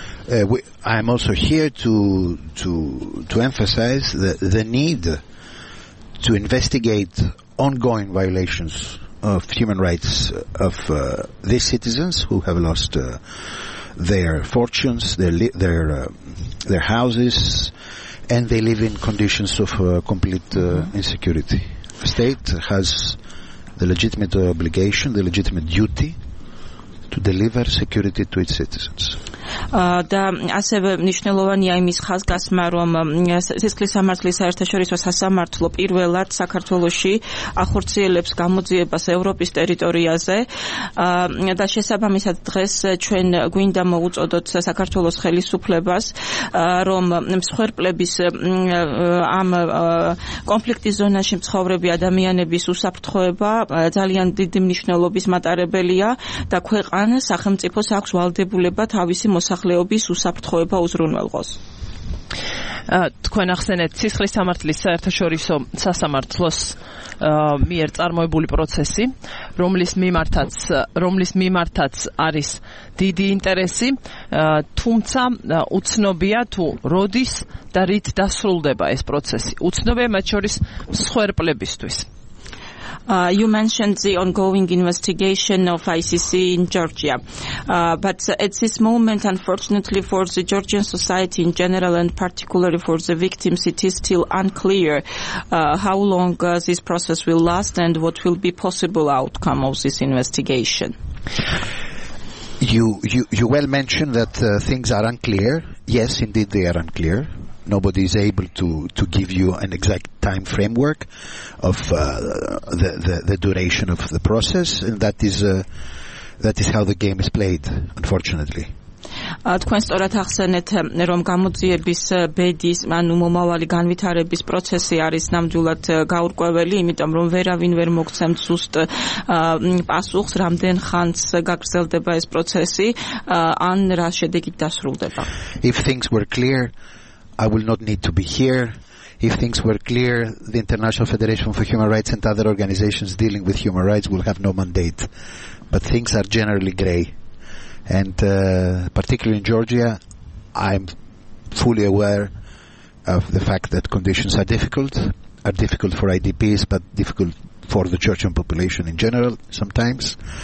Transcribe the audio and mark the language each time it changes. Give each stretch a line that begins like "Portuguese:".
English: I am also here to emphasize the need to investigate ongoing violations of human rights of these citizens who have lost their fortunes, their houses, and they live in conditions of complete insecurity. The state has the legitimate obligation, the legitimate duty to deliver security to its citizens.
Georgian: და ასევე მნიშვნელოვანია იმის ხაზგასმა, რომ სისხლის სამართლის საერთაშორისო სასამართლო პირველად საქართველოში ახორციელებს გამოძიებას ევროპის ტერიტორიაზე და შესაბამისად დღეს ჩვენ გვინდა მოუწოდოთ საქართველოს ხელისუფლებას, რომ მსხვერპლების ამ კონფლიქტის ზონაში მცხოვრები ადამიანების უსაფრთხოება ძალიან დიდი მნიშვნელობის მატარებელია და ქვეყანა სახელმწიფოს აქვს ვალდებულება თავისი მოსახლეობის უსაფრთხოება უზრუნველყოს. თქვენ ახსენეთ სისხლის სამართლის საერთაშორისო სასამართლოს მიერ წარმოებული პროცესი, რომლის მიმართაც არის დიდი ინტერესი, თუმცა უცნობია თუ როდის და რით დასრულდება ეს პროცესი. უცნობია მათ შორის მსხვერპლებისთვის.
English: You mentioned the ongoing investigation of ICC in Georgia. But at this moment, unfortunately for the Georgian society in general and particularly for the victims, it is still unclear how long this process will last and what will be possible outcome of this investigation. You well mentioned that things are unclear. Yes, indeed they are unclear. Nobody is able to give you an exact time framework of the duration of the process, and that is how the game is played, unfortunately.
Georgian: თქვენ სწორად ახსენეთ, რომ გამოძიების ბედის, ანუ მომავალი განვითარების პროცესი არის ნამდვილად გაურკვეველი, იმიტომ რომ ვერავინ ვერ მოგცემთ ზუსტ პასუხს, რამდენ ხანს გაგრძელდება ეს პროცესი, ან რა შედეგით დასრულდება.
English: If things were clear, I will not need to be here. If things were clear, the International Federation for Human Rights and other organizations dealing with human rights will have no mandate. But things are generally gray. And particularly in Georgia, I'm fully aware of the fact that conditions are difficult for IDPs, but difficult for the Georgian population in general sometimes.